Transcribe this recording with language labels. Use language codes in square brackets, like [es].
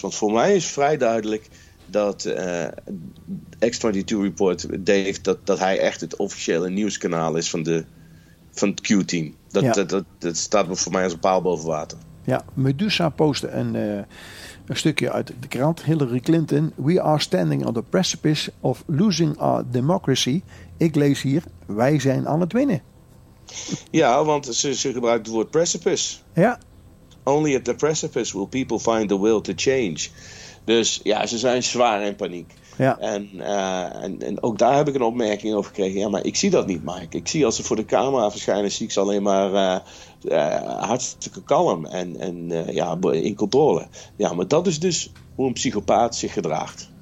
[nl] Want voor mij is vrij duidelijk dat X-22 report, Dave, dat hij echt het officiële nieuwskanaal is van het Q-team. Dat staat voor mij als een paal boven water. Ja, Medusa postte een stukje uit de krant. [en] Hillary Clinton: we are standing on the precipice of losing our democracy. [nl] Ik lees hier: wij zijn aan het winnen. Ja, want ze gebruikt het woord precipice. Ja. [en] Only at the precipice will people find the will to change. [nl] Dus ja, ze zijn zwaar in paniek. Ja. En ook daar heb ik een opmerking over gekregen. Ja, maar ik zie dat niet, Mike. Ik zie als ze voor de camera verschijnen, zie ik ze alleen maar hartstikke kalm en in controle. Ja, maar dat is dus hoe een psychopaat zich gedraagt.